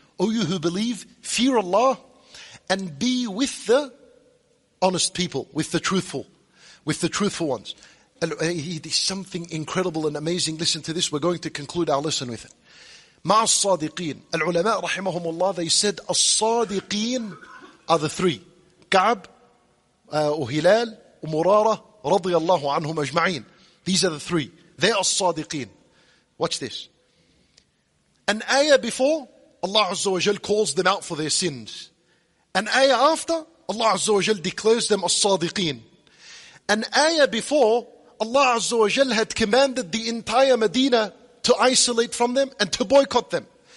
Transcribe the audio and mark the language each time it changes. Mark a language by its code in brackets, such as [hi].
[en] O you who believe, fear Allah and be with the honest people, with the truthful ones. It is something incredible and amazing. Listen to this. We're going to conclude our lesson with it. مَعَ الصَّادِقِينَ. [ar] العلماء رحمهم الله, [en] they said الصَّادِقِينَ are the three. [ar] كعب, وهلال, ومرارة, رضي الله عنهم أجمعين. [en] These are the three. They are الصَّادِقِينَ. Watch this. An ayah before, Allah Azza wa Jal calls them out for their sins. An ayah after, Allah Azza wa Jal declares them الصَّادِقِينَ. An ayah before, Allah Azza wa Jal had commanded the entire Medina to isolate from them and to boycott them.